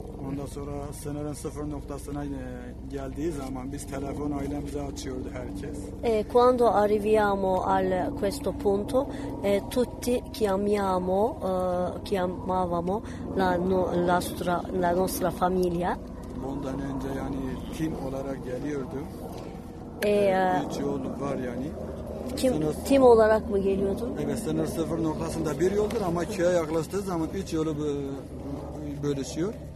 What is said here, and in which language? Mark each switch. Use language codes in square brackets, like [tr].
[tr] Ondan sonra sınırın sıfır noktasına geldiği zaman biz telefon ailemize açıyordu herkes. [it] Quando arriviamo al questo punto, tutti chiamavamo la nostra famiglia. [tr] Bundan önce yani tim olarak geliyordu. Üç yolu var yani. Tim olarak mı geliyordu? Evet, sınır sıfır noktasında bir yoldur ama köye yaklaştığı zaman üç yolu bölüşüyor.